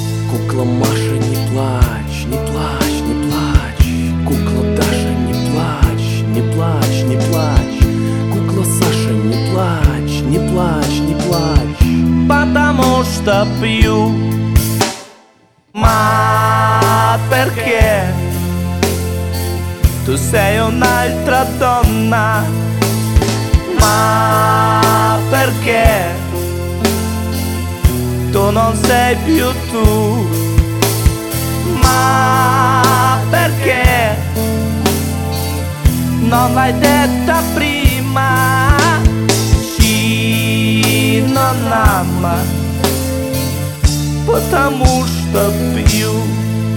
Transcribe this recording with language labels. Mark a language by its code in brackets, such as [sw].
[ru] Кукла Маша, не плачь, не плачь, не плачь. Кукла Даша, не плачь, не плачь, не плачь. Кукла Саша, не плачь, не плачь, не плачь. Потому что пью. [it] Ma perché tu sei un'altra donna? Ma perché tu non sei più tu? Ma perché non l'hai detta prima? Sì, non ama, потому что пью.